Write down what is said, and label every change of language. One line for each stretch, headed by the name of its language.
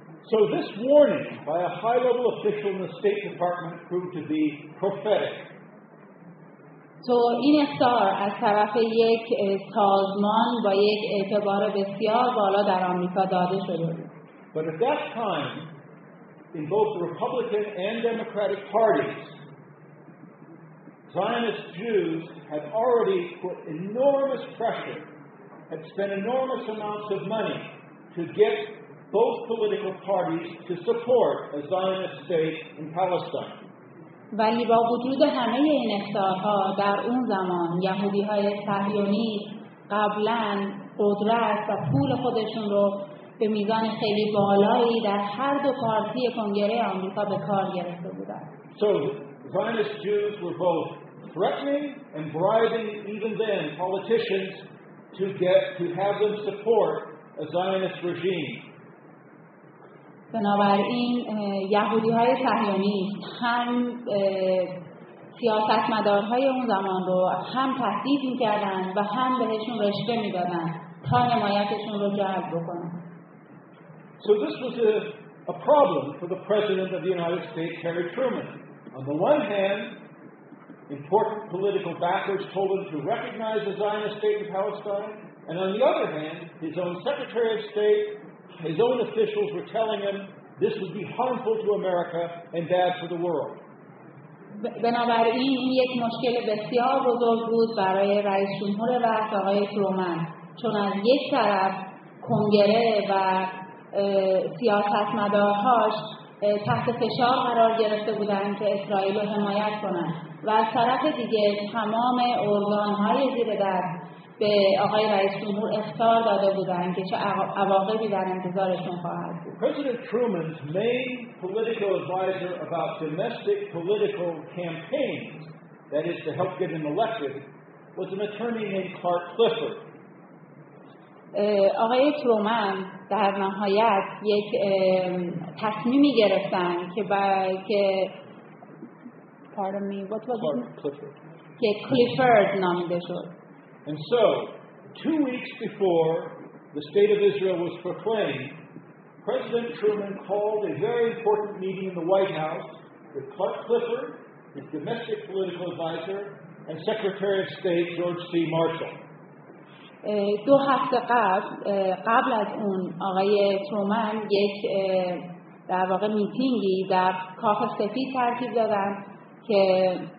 English: So this warning by a high-level official in the State Department proved to be prophetic. So
Persian: این اخطار از طرف یک سازمان با یک اعتبار بسیار بالا در آمریکا داده شده بود.
English: But at that time, in both the Republican and Democratic parties, Zionist Jews had already put enormous pressure, had spent enormous amounts of money to get both political parties to support a Zionist state in Palestine.
Persian: ولی با وجود همه این اخطارها در اون زمان یهودی‌های صهیونی قبلاً قدرت و پول خودشون رو به میزان خیلی بالایی در هر دو پارتی کنگره آمریکا به کار گرفته بودند.
English: So, Zionist Jews were both threatening and bribing even then politicians to get to have them support a Zionist regime.
Persian: بنابراین یهودی‌های صهیونی هم سیاستمدارهای اون زمان رو هم تهدید می‌کردن و هم بهشون رشوه می‌دادن تا حمایتشون رو جلب بکنن.
English: So this was a problem for the president of the United States, Harry Truman. On the one hand, important political backers told him to recognize a Zionist state in Palestine, and on the other hand, his own Secretary of State, his own officials were telling him this would be harmful to America and bad for the world.
Persian: بنابراین این یک مشکل بسیار بزرگ بود برای رئیس جمهور وقت آقای ترومن، چون از یک طرف کنگره و سیاستمدارهاش تحت فشار قرار گرفته بودند که اسرائیل رو حمایت کنند و از طرف دیگه تمام ارگان‌های زیر دست به آقای رئیس جمهور اخطار داده بودند که چه عواقبی در انتظارشون خواهد بود.
English: President Truman's main political advisor about domestic political campaigns, that is to help get him elected, was an attorney named Clark Clifford.
Persian: آقای ترومن در نهایت یک تصمیمی گرفتن که کلیفورد نامیده شد.
English: And so, 2 weeks before the state of Israel was proclaimed, President Truman called a very important meeting in the White House with Clark Clifford, his domestic political advisor, and Secretary of State George C. Marshall.
Persian: دو هفته قبل از اون آقای ترومن یک در واقع میتینگی در کاخ سفید ترتیب دادن که